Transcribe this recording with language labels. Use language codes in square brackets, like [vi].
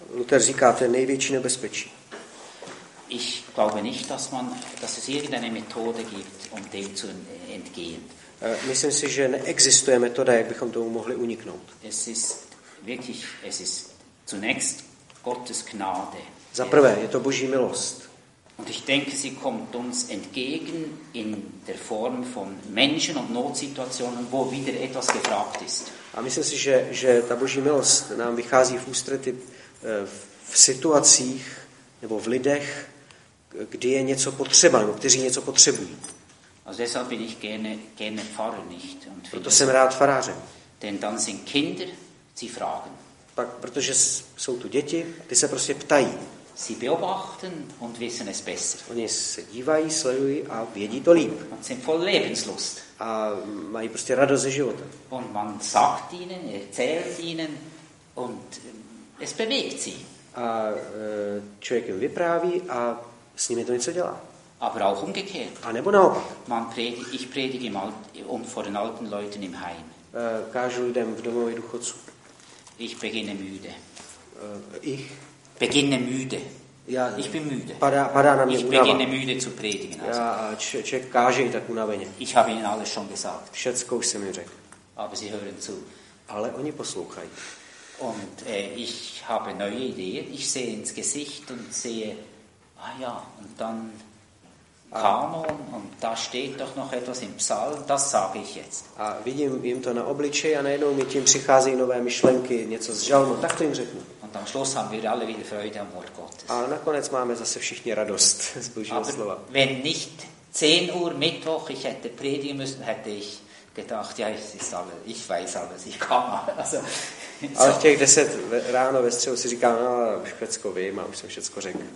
[cs] Luther říká, to je největší nebezpečí. [de] Ich glaube nicht, dass es irgendeine Methode gibt, um dem zu entgehen. [cs] Myslím si, že neexistuje metoda, jak bychom tomu mohli uniknout. [de] Es ist zunächst Gottes Gnade. [cs] Za prvé, je to Boží milost. [de] Und ich denke, sie kommt uns entgegen in der Form von Menschen und Notsituationen, wo wieder etwas gefragt ist. [cs] A myslím si, že ta Boží milost nám vychází v ústrety v situacích nebo v lidech, kdy je něco potřeba, nebo kteří něco potřebují. [de] Also deshalb bin ich gerne Pfarrer nicht. [cs] Und proto jsem rád farářem. [de] Denn dann sind Kinder, sie fragen. [cs] Tak, protože jsou tu děti, ty se prostě ptají. [de] Sie beobachten und wissen es besser. [cs] Oni se dívají, sledují a vědí to líp. [de] Und sind voll Lebenslust. [cs] A mají prostě radost ze života. [de] Und man sagt ihnen, erzählt ihnen und es bewegt sie. [cs] A člověk jim vypráví a s nimi to něco dělá. [de] Aber auch umgekehrt. [cs] A nebo naopak. [de] Ich predige mal vor den alten Leuten im Heim. [cs] Kážu lidem v domově duchoců. [de] Ich beginne müde. Ich? Beginne müde. Ja, ich bin müde. [cs] Padá na mě [de] ich [cs] unava. [de] Beginne müde zu predigen. [cs] Also. Ja, člověk káže i tak unaveně. [de] Ich habe ihnen alles schon gesagt. [cs] Všecko už jsem jim řekl. [de] Aber sie hören zu. [cs] Ale oni poslouchají. [de] Und ich habe neue Ideen. Ich sehe ins Gesicht und sehe, ah ja, und dann... Kanon, und da steht doch noch etwas im Psalm, das sage ich jetzt. [cs] A vidím jim to na obličeji a najednou mi tím přicházejí nové myšlenky, něco z žalmu, tak to jim řeknu. [de] Und am Schluss haben wir alle wieder Freude am Wort Gottes. [cs] A nakonec máme zase všichni radost z Božího slova. [de] Wenn nicht 10 Uhr Mittwoch ich hätte predigen müssen, hätte ich gedacht, ja, ich weiß alles, ich kann alles. [cs] Ale v těch 10 ráno ve středu si říkám, no, všecko vím a už jsem všecko řekl.